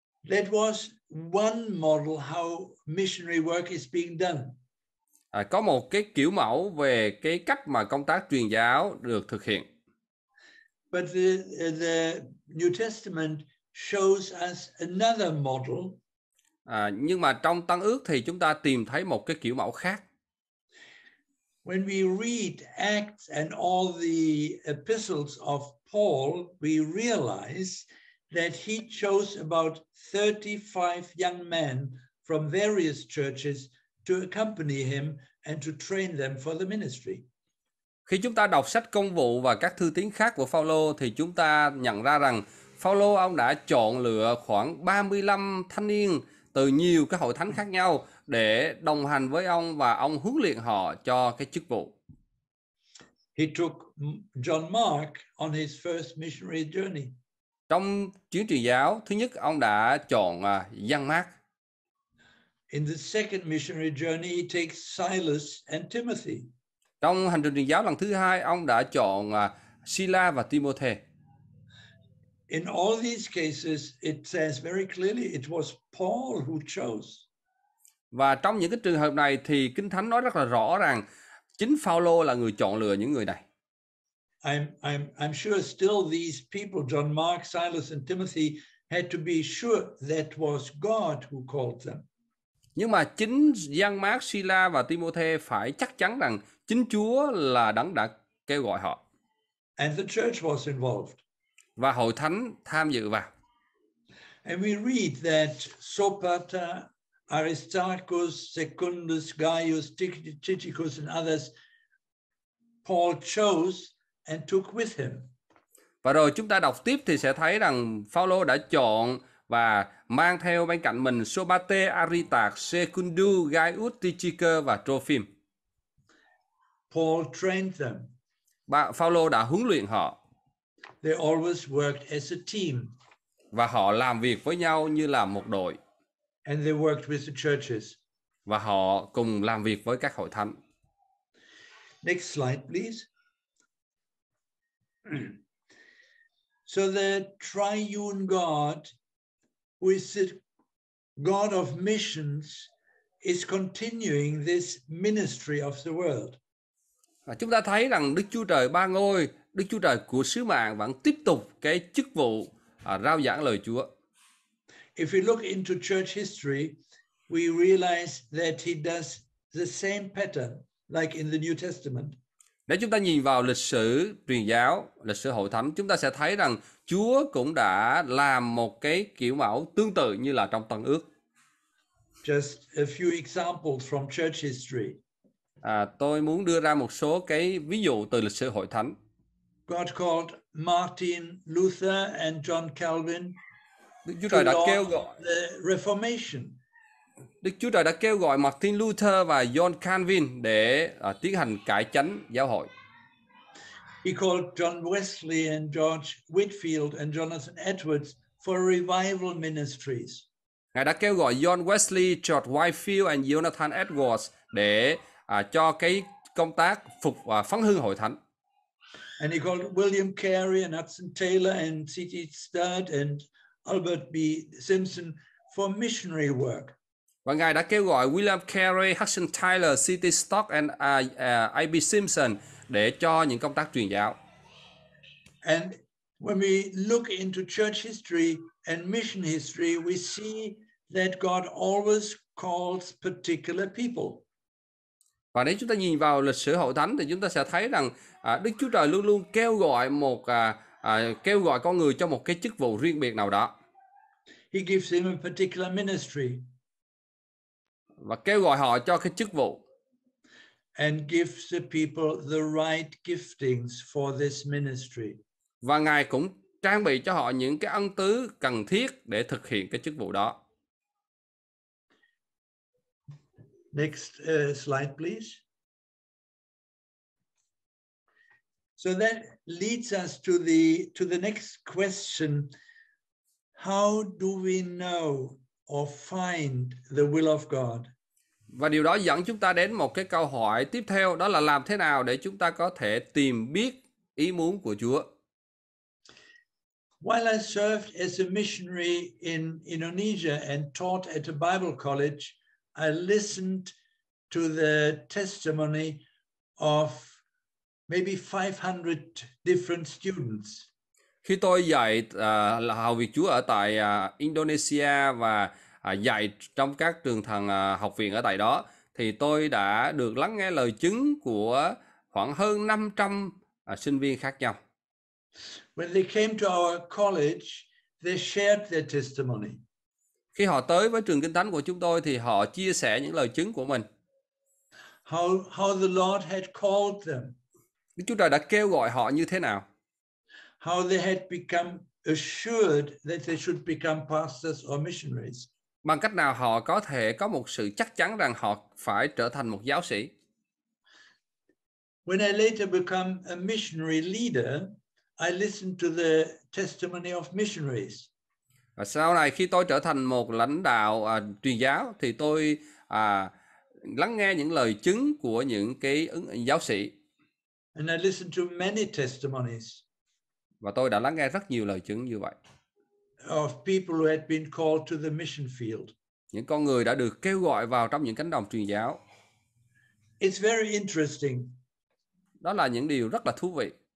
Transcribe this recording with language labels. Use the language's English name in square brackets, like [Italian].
[English] That was one model how missionary work is being done. [Vietnamese] Có một cái kiểu mẫu về cái cách mà công tác truyền giáo được thực hiện. [English] But the New Testament shows us another model. [Vietnamese] Nhưng mà trong Tân Ước thì chúng ta tìm thấy một cái kiểu mẫu khác. [English] When we read Acts and all the epistles of Paul, we realize that he chose about 35 young men from various churches to accompany him and to train them for the ministry. [Vietnamese] Khi chúng ta đọc sách công vụ và các thư tín khác của Phao-lô thì chúng ta nhận ra rằng Phao-lô ông đã chọn lựa khoảng 35 thanh niên từ nhiều cái hội thánh khác nhau để đồng hành với ông và ông huấn luyện họ cho cái chức vụ. [English] He took John Mark on his first missionary journey. [Vietnamese] Trong chuyến truyền giáo, thứ nhất ông đã chọn Giăng Mác. [English] In the second missionary journey, he takes Silas and Timothy. [Vietnamese] Trong hành trình truyền giáo lần thứ hai, ông đã chọn Sila và Timothy. [English] In all these cases, it says very clearly it was Paul who chose. [Vietnamese] Và trong những cái trường hợp này thì Kinh Thánh nói rất là rõ rằng chính Phao-lô là người chọn lựa những người này. [English] I'm sure still these people, John Mark, Silas and Timothy, had to be sure that was God who called them. [Vietnamese] Nhưng mà chính Giăng Mác, Sila và Timothy phải chắc chắn rằng chính Chúa là đấng đã kêu gọi họ. [English] And the church was involved. [Vietnamese] Và hội thánh tham dự vào. [English] And we read that Sopater, Aristarchus, Secundus, Gaius, Tychicus and others Paul chose and took with him. [Vietnamese] Và rồi chúng ta đọc tiếp thì sẽ thấy rằng Phao-lô đã chọn và mang theo bên cạnh mình Sopater, Aristarch, Secundus, Gaius, Tychicus và Trophim. [English] Paul trained them. [Vietnamese] Phao-lô đã huấn luyện họ. [English] They always worked as a team. [Vietnamese] Và họ làm việc với nhau như là một đội. [English] And they worked with the churches. [Vietnamese] Và họ cùng làm việc với các hội thánh. [English] Next slide, please. So the triune God, who is the God of missions, is continuing this ministry of the world. [Vietnamese] Và chúng ta thấy rằng Đức Chúa Trời ba ngôi, Đức Chúa Trời của sứ mạng vẫn tiếp tục cái chức vụ rao giảng lời Chúa. [English] If we look into church history, we realize that he does the same pattern like in the New Testament. [Vietnamese] Nếu chúng ta nhìn vào lịch sử truyền giáo, lịch sử hội thánh, chúng ta sẽ thấy rằng Chúa cũng đã làm một cái kiểu mẫu tương tự như là trong Tân Ước. [English] Just a few examples from church history. [Vietnamese] Tôi muốn đưa ra một số cái ví dụ từ lịch sử hội thánh. [English] God called Martin Luther and John Calvin. [Vietnamese] Đức Chúa Trời đã kêu gọi [English] the Reformation. [Vietnamese] Đức Chúa Trời đã kêu gọi Martin Luther và John Calvin để tiến hành cải chánh giáo hội. [English] He called John Wesley and George Whitfield and Jonathan Edwards for revival ministries. [Vietnamese] Ngài đã kêu gọi John Wesley, George Whitefield and Jonathan Edwards để cho cái công tác phục phấn hưng hội thánh. [English] And he called William Carey and Hudson Taylor and C.T. Studd and Albert B. Simpson for missionary work. [Vietnamese] Và ngài đã kêu gọi William Carey, Hudson Taylor, C.T. Studd and I.B. Simpson để cho những công tác truyền giáo. [English] And when we look into church history and mission history, we see that God always calls particular people. [Vietnamese] Và nếu chúng ta nhìn vào lịch sử hội thánh thì chúng ta sẽ thấy rằng Đức Chúa Trời luôn luôn kêu gọi một kêu gọi con người cho một cái chức vụ riêng biệt nào đó. [English] He gives him a particular ministry. [Vietnamese] Và kêu gọi họ cho cái chức vụ. [English] And gives the people the right giftings for this ministry. [Vietnamese] Và ngài cũng trang bị cho họ những cái ân tứ cần thiết để thực hiện cái chức vụ đó. [English] Next slide, please. So that leads us to the next question. How do we know or find the will of God? [Vietnamese] Và điều đó dẫn chúng ta đến một cái câu hỏi tiếp theo, đó là làm thế nào để chúng ta có thể tìm biết ý muốn của Chúa? [English] While I served as a missionary in Indonesia and taught at a Bible college, I listened to the testimony of maybe 500 different students. [Vietnamese] Khi tôi dạy là Hầu Việt Chúa ở tại Indonesia và dạy trong các trường thần học viện ở tại đó, thì tôi đã được lắng nghe lời chứng của khoảng hơn 500 sinh viên khác nhau. [English] When they came to our college, they shared their testimony. [Vietnamese] Khi họ tới với trường Kinh Thánh của chúng tôi thì họ chia sẻ những lời chứng của mình. [English] How the Lord had called them. [Vietnamese] Đức Chúa Trời đã kêu gọi họ như thế nào? [English] How they had become assured that they should become pastors or missionaries. [Vietnamese] Bằng cách nào họ có thể có một sự chắc chắn rằng họ phải trở thành một giáo sĩ? [English] When I later become a missionary leader, I listened to the testimony of missionaries. [Vietnamese] Và sau này khi tôi trở thành một lãnh đạo truyền giáo thì tôi lắng nghe những lời chứng của những cái giáo sĩ. [English] And I listened to many testimonies. [Vietnamese] Và tôi đã lắng nghe rất nhiều lời chứng như vậy. [English] Of people who had been called to the mission field. [Vietnamese] Những con người đã được kêu gọi vào trong những cánh đồng truyền giáo. [English] It's very interesting. [Vietnamese] Đó là những điều rất là thú vị.